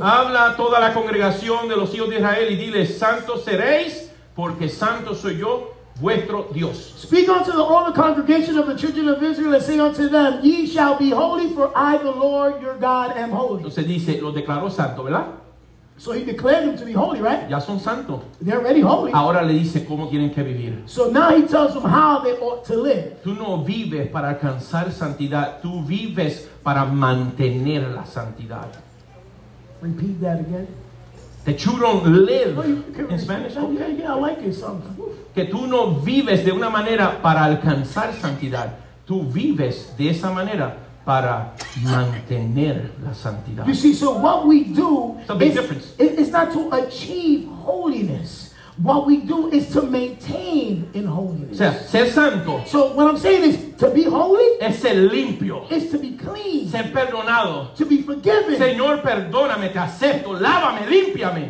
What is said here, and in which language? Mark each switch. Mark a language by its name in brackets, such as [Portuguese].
[Spanish] Habla a toda la congregación de los hijos de Israel y dile, santos seréis, porque santo soy yo, vuestro Dios. [English] Speak unto all the congregation of the children of Israel and say unto them, ye shall be holy, for I, the Lord, your God, am holy. [Spanish] Entonces dice, lo declaró santo, ¿verdad? [English] So he declared them to be holy, right? [Spanish] Ya son santos. [English] They're already holy. [Spanish] Ahora le dice cómo tienen que vivir. [English] So now he tells them how they ought to live. [Spanish] Tú no vives para alcanzar santidad. Tú vives para mantener la santidad. [English] Repeat that again. That you don't live. In Spanish? Yeah, I like it. [Spanish] Que tú no vives de una manera para alcanzar santidad. Tú vives de esa manera para mantener la santidad. [English] You see, so what we do, it's a big difference. It's not to achieve holiness. What we do is to maintain in holiness. [Spanish] O sea, ser santo. [English] So what I'm saying is, to be holy, [Spanish] es ser limpio. [English] Is to be clean. [Spanish] Ser perdonado. [English] To be forgiven. [Spanish] Señor, perdóname, te acepto, lávame, límpiame.